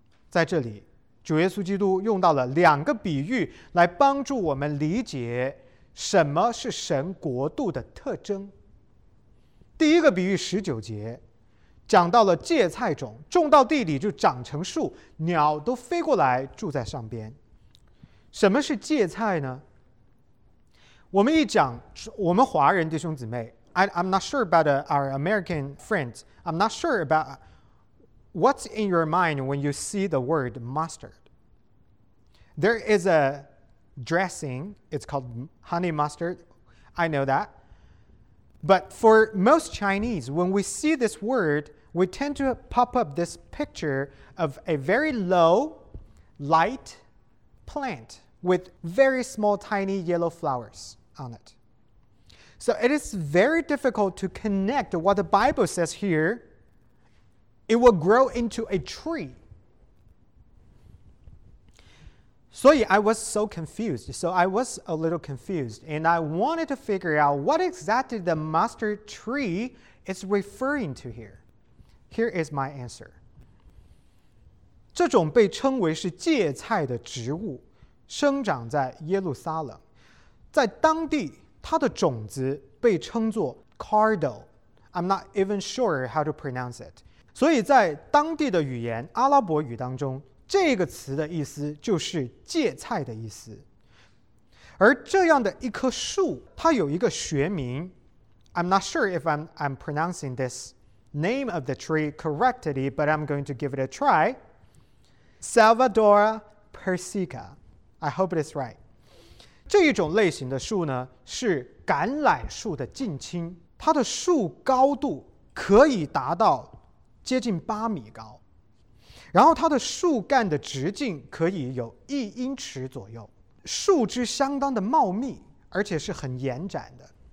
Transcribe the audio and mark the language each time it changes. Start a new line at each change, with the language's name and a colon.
Chinese: 在这里主耶稣基督用到了两个比喻来帮助我们理解什么是神国度的特征。第一个比喻十九节讲到了芥菜种，种到地里就长成树，鸟都飞过来住在上边。什么是芥菜呢？我们一讲，我们华人弟兄姊妹，
English: I'm not sure about our American friends. I'm not sure about what's in your mind when you see the word mustard. There is a dressing, it's called honey mustard. I know that. But for most Chinese, when we see this word,we tend to pop up this picture of a very low, light plant with very small, tiny yellow flowers on it. So it is very difficult to connect what the Bible says here. It will grow into a tree. So I was so confused. So I was a little confused, and I wanted to figure out what exactly the mustard tree is referring to here. Here is my answer.
Chinese: 这种被称为是芥菜的植物生长在耶路撒冷，在当地它的种子被称作 cardo.
English: I'm not even sure how to pronounce it.
Chinese: 所以在当地的语言阿拉伯语当中，这个词的意思就是芥菜的意思。而这样的一棵树它有一个学名，
English: I'm not sure if I'm pronouncing thisname of the tree correctly, but I'm going to give it a try. Salvadora persica. I hope it is right.
Chinese: 这一种类型的树呢，是橄榄树的近亲，它的树高度可以达到接近八米高，然后它的树干的直径可以有一英尺左右，树枝相当的茂密，而且是很延展的，